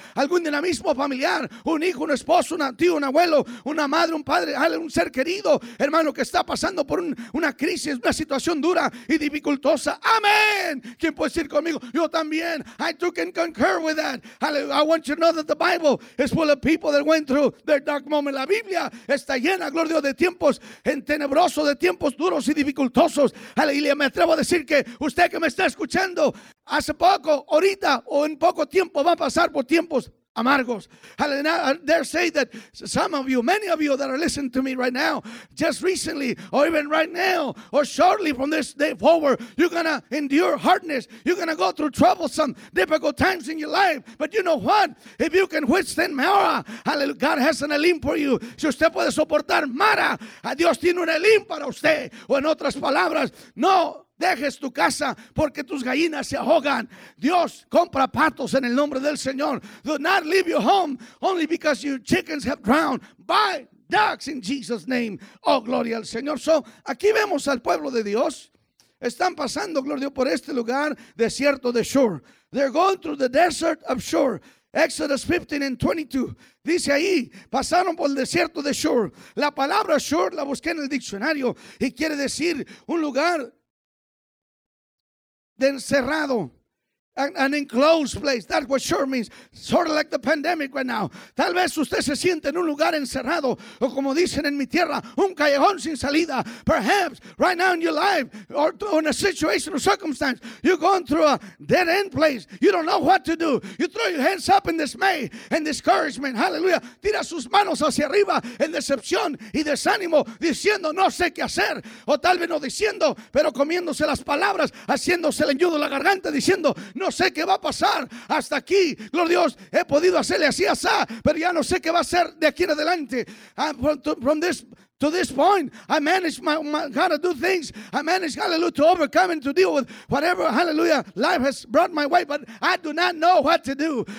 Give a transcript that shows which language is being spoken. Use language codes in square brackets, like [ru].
[es] Algún dinamismo familiar, un hijo, un esposo, un tío, un abuelo, una madre, un padre, un ser querido, hermano, que está pasando por una crisis, una situación dura y dificultosa. Amén. ¿Quién puede decir conmigo? Yo también. [en] I too can concur with that. I want you to know that the Bible is full of people that went through their dark moment. [es] La Biblia está llena, gloria a Dios, de tiempos en tenebrosos, de tiempos duros y dificultosos. Aleluya, me atrevo a decir que usted que me está escuchando, hace poco, ahorita o en poco tiempo va a pasar por tiempos amargos. [en] And I dare say that some of you, many of you that are listening to me right now, just recently, or even right now, or shortly from this day forward, you're going to endure hardness. You're going to go through troublesome, difficult times in your life. But you know what? If you can withstand Mara, hallelujah, God has an Elim for you. [es] Si usted puede soportar Mara, Dios tiene un Elim para usted. O en otras palabras, no dejes tu casa porque tus gallinas se ahogan. Dios compra patos en el nombre del Señor. [en] Do not leave your home only because your chickens have drowned. Buy ducks in Jesus' name. [es] Oh, gloria al Señor. So, aquí vemos al pueblo de Dios. Están pasando, gloria a Dios, por este lugar desierto de Shur. [en] They're going through the desert of Shur. Exodus 15 and 22. [es] Dice ahí, pasaron por el desierto de Shur. La palabra Shur la busqué en el diccionario y quiere decir un lugar de encerrado, [en] an enclosed place. That's what sure means. Sort of like the pandemic right now. [es] Tal vez usted se siente en un lugar encerrado, o como dicen en mi tierra, un callejón sin salida. [en] Perhaps right now in your life, or in a situation or circumstance, you're going through a dead end place. You don't know what to do. You throw your hands up in dismay and discouragement. Hallelujah. [es] Tira sus manos hacia arriba en decepción y desánimo, diciendo no sé qué hacer. O tal vez no diciendo, pero comiéndose las palabras, haciéndose el enyudo en la garganta, diciendo no sé qué va a pasar hasta aquí. Gloria a Dios, he podido hacerle así a Sa, pero ya no sé qué va a hacer de aquí en adelante. [en] From this point, I managed my God to do things. I managed, hallelujah, to overcome and to deal with whatever, hallelujah, life has brought my way. But I do not know what to do.